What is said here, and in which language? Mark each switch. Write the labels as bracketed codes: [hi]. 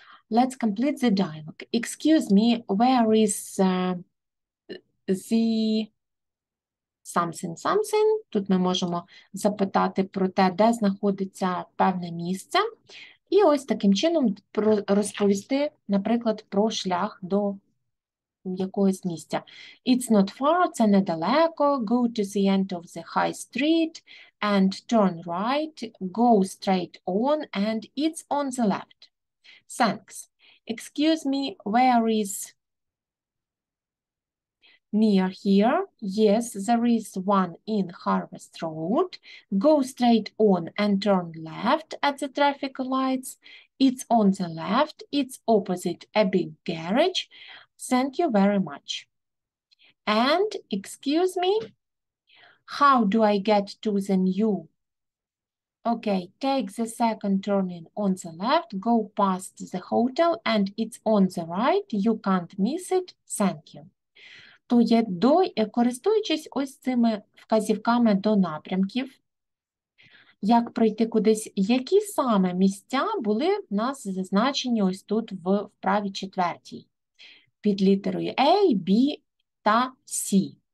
[en] Let's complete the dialogue. Excuse me, where is the something, something. [uk] Тут ми можемо запитати про те, де знаходиться певне місце. І ось таким чином розповісти, наприклад, про шлях до якогось місця. [en] It's not far, [uk] це недалеко. [en] Go to the end of the high street and turn right. Go straight on and it's on the left. Thanks. Excuse me, where is near here? Yes, there is one in Harvest Road. Go straight on and turn left at the traffic lights. It's on the left. It's opposite a big garage. Thank you very much. And excuse me, how do I get to the new? Okay, take the second turning on the left. Go past the hotel and it's on the right. You can't miss it. Thank you. [uk] То є користуючись ось цими вказівками до напрямків, як пройти кудись, які саме місця були в нас зазначені ось тут в вправі четвертій під літерою A, B та C.